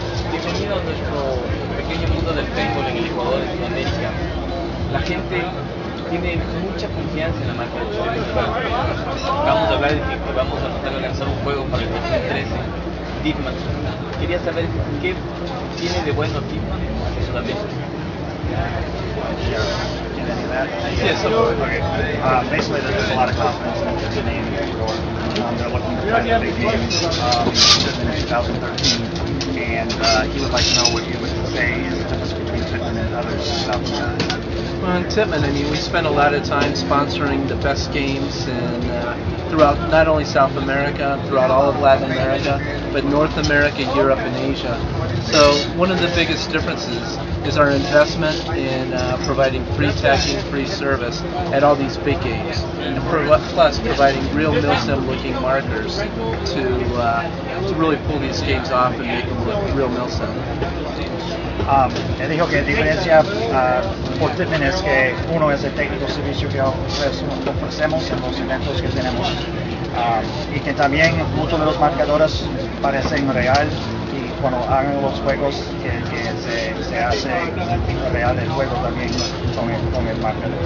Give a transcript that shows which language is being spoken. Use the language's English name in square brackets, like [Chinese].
[Spanish] Bienvenido a nuestro pequeño mundo del béisbol en el Ecuador, en Sudamérica. La gente tiene mucha confianza en la marca de Chile. Vamos a hablar de que vamos a tratar de lanzar un juego para el 2013, Pitman. Quería saber qué tiene de bueno Pitman en Sudamérica. [English] Basically, there's a lot of confidence in the name of the Ecuador. They're looking to play a big game just in 2013. And he would like to know what you would say is the difference between Pittman and others in South America. Well, in Pittman, I mean, we spent a lot of time sponsoring the best games in, throughout not only South America, throughout all of Latin America, but North America, Europe, and Asia. So one of the biggest differences is our investment in providing free tagging, free service at all these big games, and plus providing real Milsim-looking markers to really pull these games off and make them look real Milsim. [Spanish] Él dijo que la diferencia por Tipman es que uno es el técnico servicio que ofrecemos en los eventos que tenemos y que también muchos de los marcadores parecen real y cuando hagan los juegos que se hace real el juego también con el marcador.